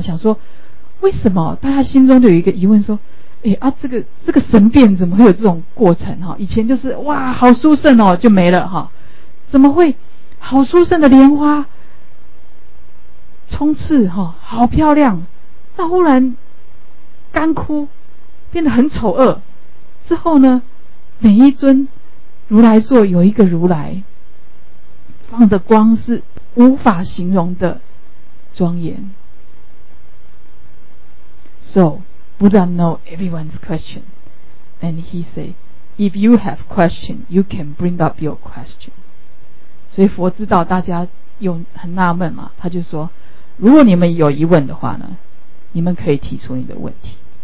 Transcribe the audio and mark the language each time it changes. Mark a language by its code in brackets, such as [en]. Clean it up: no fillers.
[zh] 想说为什么大家心中就有一个疑问，说哎啊，这个神变怎么会有这种过程哈？以前就是哇好殊胜哦就没了哈，怎么会好殊胜的莲花冲刺哈，好漂亮，到忽然干枯变得很丑恶，之后呢每一尊如来座有一个如来放的光是无法形容的庄严。 [en] So Buddha know everyone's question, and he say, if you have question, you can bring up your question. [zh] 所以佛知道大家有很纳闷嘛，他就说如果你们有疑问的话呢，你们可以提出你的问题。